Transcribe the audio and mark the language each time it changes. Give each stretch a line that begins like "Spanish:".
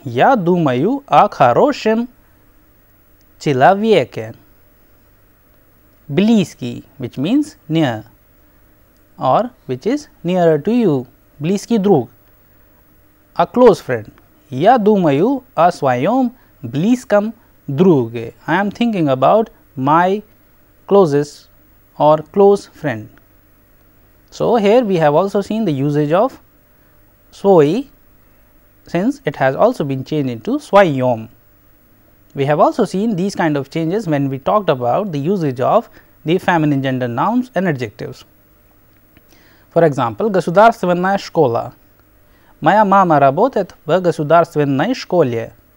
Russian: Я думаю о хорошем человеке. Близкий,
English: which means near, or which is nearer to you.
Russian: Близкий друг.
English: A close friend.
Russian: Я думаю о своем близком друге.
English: I am thinking about my closest or close friend. So, here we have also seen the usage of свой, since it has also been changed into своем. We have also seen these kind of changes when we talked about the usage of the feminine gender nouns and adjectives. For example,
Russian: государственная школа. Моя мама работает в государственной школе.